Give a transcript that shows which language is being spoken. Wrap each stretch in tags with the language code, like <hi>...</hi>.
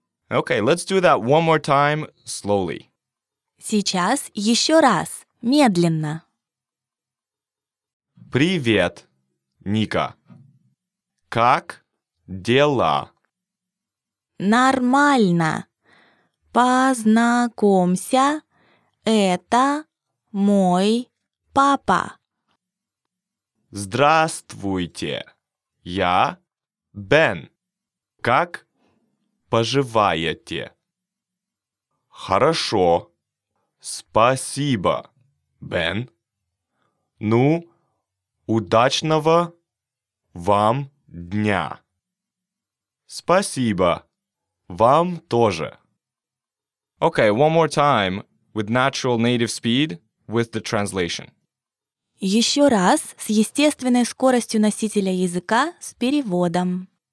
<en>Okay, let's do that one more time, slowly.</en> <ru>Сейчас еще раз, медленно. Привет, Ника. Как дела? Нормально. Познакомься, это мой папа. Здравствуйте, я Бен. Как поживаете? Хорошо. Спасибо, Бен. Ну, удачного вам дня. Спасибо. Вам тоже.</ru> <en>Okay, one more time with natural native speed with the translation.</en> <ru>Еще раз с естественной скоростью носителя языка с переводом.</ru>